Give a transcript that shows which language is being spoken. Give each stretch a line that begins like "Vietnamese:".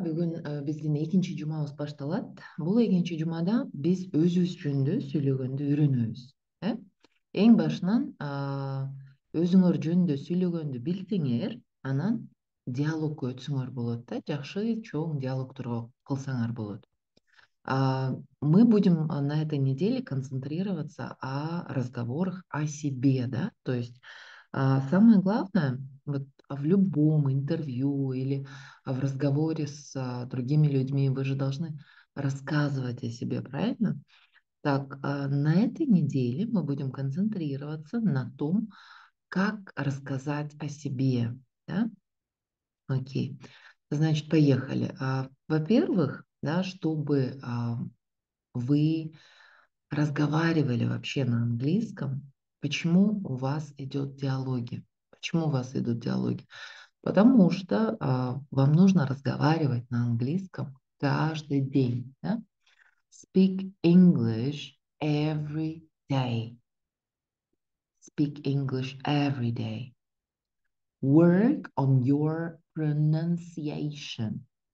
Kyrgyz: Бүгүн биздин экинчи жумабыз башталат. Бул экинчи жумада биз өзүбүз жөнүндө сүйлөгөндү үйрөнөбүз. Эң башынан өзүңөр жөнүндө сүйлөгөндү билсеңер, анан диалогко өтсөңөр болот да. Жакшы чоң диалогторго кылсаңар болот.
Russian: Мы будем на этой неделе концентрироваться о разговорах о себе, да? То есть самое главное, вот в любом интервью или в разговоре с другими людьми вы же должны рассказывать о себе, правильно? Так, на этой неделе мы будем концентрироваться на том, как рассказать о себе, да? Окей, значит, поехали. Во-первых, да, чтобы вы разговаривали вообще на английском, почему у вас идет диалоги? Почему у вас идут диалоги? Потому что вам нужно разговаривать на английском каждый день. Да?
English: Speak English every day. Speak English every day. Work on your pronunciation.